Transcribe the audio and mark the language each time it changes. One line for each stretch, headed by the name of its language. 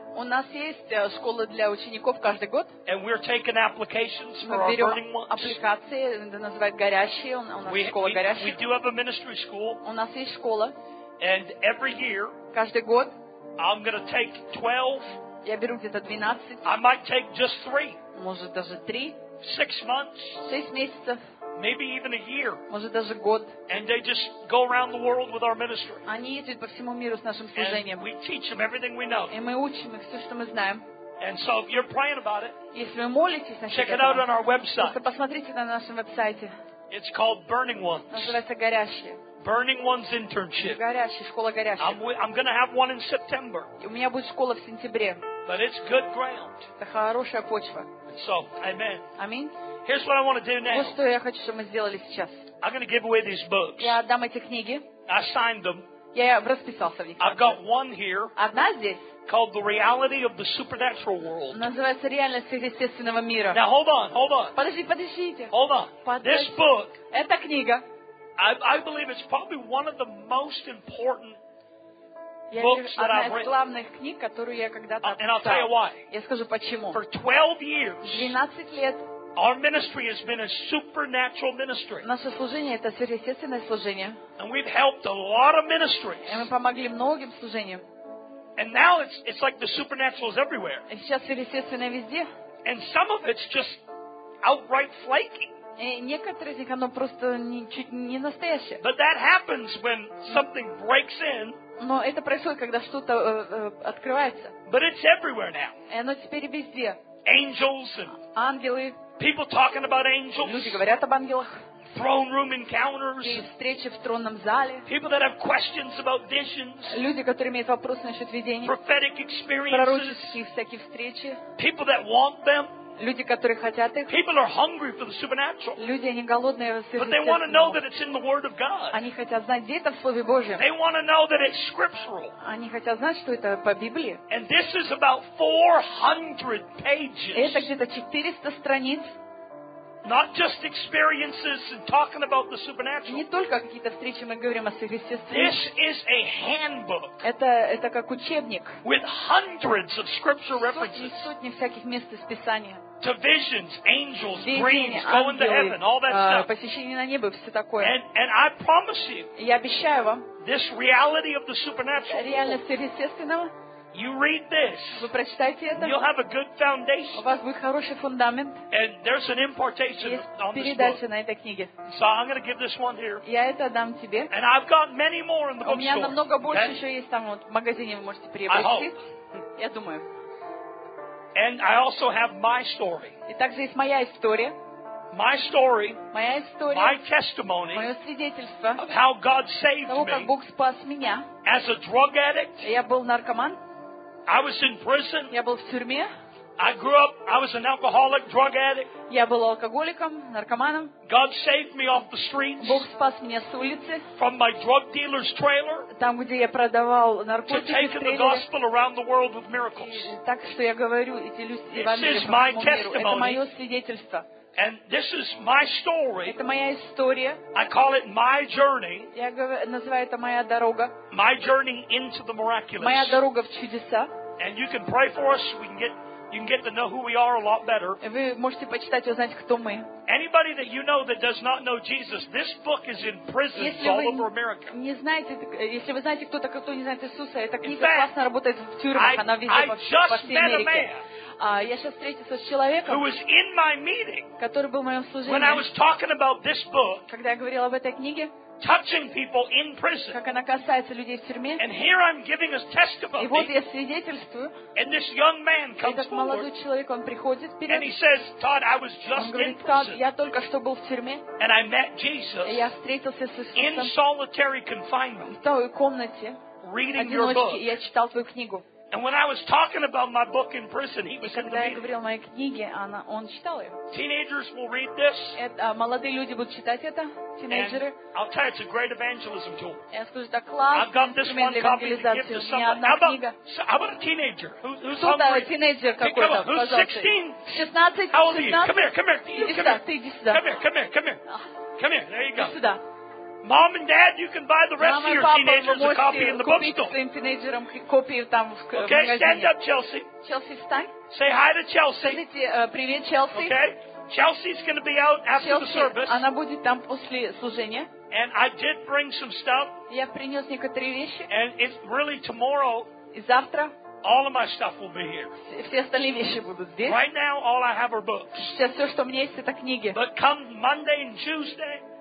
Russian: У нас есть школа для учеников каждый год.
English: And we're taking applications for our Burning Ones.
Russian: Аппликации, это называют горящие. У нас школа горящая.
English: We do have a ministry school.
Russian: У нас есть школа.
English: And every year,
Russian: каждый год,
English: I'm going to take 12.
Russian: Я беру где-то 12.
English: I might take just 3.
Russian: Может даже 3.
English: 6 months.
Russian: 6 месяцев.
English: Maybe even a year.
Russian: Может даже год.
English: And they just go around the world with our ministry.
Russian: Они ездят по всему миру с нашим служением.
English: And we teach them everything we know.
Russian: И мы учим их все, что мы знаем.
English: And so if you're praying about it,
Russian: если вы молитесь, значит,
English: check it out on our website.
Russian: Просто посмотрите на нашем веб-сайте.
English: It's called Burning Ones.
Russian: Называется горящие.
English: Burning Ones internship.
Russian: Горящие, школа горящие.
English: I'm going to have one in September.
Russian: У меня будет школа в сентябре.
English: But it's good ground.
Russian: Это хорошая почва.
English: So, amen.
Russian: Аминь.
English: Here's what I want to do now.
Russian: Вот что я хочу, чтобы мы сделали сейчас.
English: I'm going to give away these books.
Russian: Я отдам эти книги.
English: I signed them.
Russian: Я расписался в них.
English: I've got one here.
Russian: Одна здесь.
English: Called The Reality of the Supernatural World.
Russian: Называется «Реальность сверхъестественного мира».
English: Now hold on.
Russian: Подождите.
English: Hold on. This book.
Russian: Эта книга.
English: I believe it's probably one of the most important books that I've written.
Russian: Главных книг, которые я когда-то
English: And I'll tell you why.
Russian: Я скажу почему.
English: For 12 years.
Russian: 12 лет.
English: Our ministry has been a supernatural ministry.
Russian: Наше служение это сверхъестественное служение.
English: And we've helped a lot of ministries.
Russian: Мы помогли многим служениям.
English: And now it's like the supernatural is everywhere.
Russian: И сейчас сверхъестественное везде.
English: And some of it's just outright flaky.
Russian: Некоторые из них, оно просто не настоящее.
English: But that happens when something breaks in.
Russian: Но это происходит, когда что-то открывается.
English: But it's everywhere now.
Russian: И оно теперь везде.
English: Angels and
Russian: ангелы.
English: People talking about angels.
Russian: Люди говорят об ангелах.
English: Throne room encounters.
Russian: И встречи в тронном зале.
English: People that have questions about visions.
Russian: Люди, которые имеют вопросы насчет видений.
English: Prophetic experiences.
Russian: Пророческие всякие встречи.
English: People that want them.
Russian: Люди, которые хотят их.
English: People are hungry for the supernatural.
Russian: Люди, они голодные.
English: But they want to know that it's in the Word of God.
Russian: Они хотят знать, где это в Слове Божьем.
English: They want to know that it's scriptural.
Russian: Они хотят знать, что это по Библии.
English: And this is about 400 pages.
Russian: Это где-то 400 страниц.
English: Not just experiences and talking about the supernatural.
Russian: Не только какие-то встречи мы говорим о сверхъестественном.
English: This is a handbook.
Russian: Это как учебник.
English: With hundreds of scripture references.
Russian: Сотни всяких мест из Писания.
English: To visions, angels, dreams, going to heaven, all that stuff.
Russian: Посещение на небо, все такое.
English: And I promise you.
Russian: Я обещаю вам.
English: This reality of the supernatural.
Russian: Реальность сверхъестественного.
English: You read this.
Russian: Вы прочитайте это.
English: You'll have a good foundation.
Russian: У вас будет хороший фундамент.
English: And there's an impartation on this book.
Russian: Передача на этой книге.
English: So I'm going to give this one here.
Russian: Я это дам тебе.
English: And I've got many more in the bookstore.
Russian: У меня намного больше еще есть там вот в магазине вы можете приобрести. Я думаю.
English: And I also have my story.
Russian: И также есть моя история.
English: My story.
Russian: Моя история.
English: My testimony.
Russian: Мое свидетельство.
English: Of how God saved
Russian: того, как Бог спас меня.
English: As a drug addict.
Russian: Я был наркоман.
English: I was in prison.
Russian: Я был в тюрьме.
English: I grew up. I was an alcoholic, drug addict.
Russian: Я был алкоголиком, наркоманом.
English: God saved me off the streets.
Russian: Бог спас меня с улицы.
English: From my drug dealer's trailer.
Russian: Там, где я продавал наркотики.
English: To taking the gospel around the world with miracles.
Russian: Так что я говорю эти люди в Америке.
English: This is my testimony.
Russian: Это мое свидетельство.
English: And this is my story.
Russian: Это моя история.
English: I call it my journey.
Russian: Я называю это моя дорога.
English: My journey into the miraculous.
Russian: Моя дорога в чудеса.
English: And you can pray for us. You can get to know who we are a lot better.
Russian: Вы можете почитать, узнать, кто мы.
English: Anybody that you know that does not know Jesus, this book is in prisons all over America.
Russian: Если вы не знаете, если вы знаете кто-то, кто не знает Иисуса, эта книга классно работает в тюрьмах, она везде по всей Америке. Я сейчас встретился с человеком,
English: meeting,
Russian: который был в моем служении,
English: book,
Russian: когда я говорил об этой книге,
English: prison,
Russian: как она касается людей в тюрьме. И вот я свидетельствую. Этот молодой человек, он приходит вперед.
English: Says,
Russian: он говорит, я только что был в тюрьме. И я встретился с Иисусом в той комнате, в одиночке, я читал твою книгу.
English: And when I was talking about my book in prison, he was in the meeting.
Russian: Когда я говорил о моей книге, он читал ее.
English: Teenagers will read this.
Russian: Молодые люди будут читать это.
English: Teenagers. I'll tell you, it's a great evangelism tool.
Russian: Я скажу, это классный инструмент для евангелизации.
English: I've got this one copy to give to someone. How about a teenager? Who's hungry?
Russian: Кто-то teenager какой-то.
English: Who's 16?
Russian: 16.
English: How old are you? Come here.
Russian: Иди сюда. Ты иди сюда.
English: Come here. There you go.
Russian: Иди сюда.
English: Mom and Dad, you can buy the rest of your teenagers a copy in the bookstore. Okay, stand up, Chelsea. Chelsea, stand. Say hi to Chelsea.
Russian: Привет, Chelsea.
English: Okay, Chelsea's going to be out after the service.
Russian: Она будет там после служения.
English: And I did bring some stuff.
Russian: Я принес некоторые вещи.
English: And it's really tomorrow.
Russian: И завтра.
English: All of my stuff will be here.
Russian: Все остальные вещи будут здесь.
English: Right now, all I have are books.
Russian: Сейчас все, что у меня есть, это книги.
English: But come Monday and Tuesday.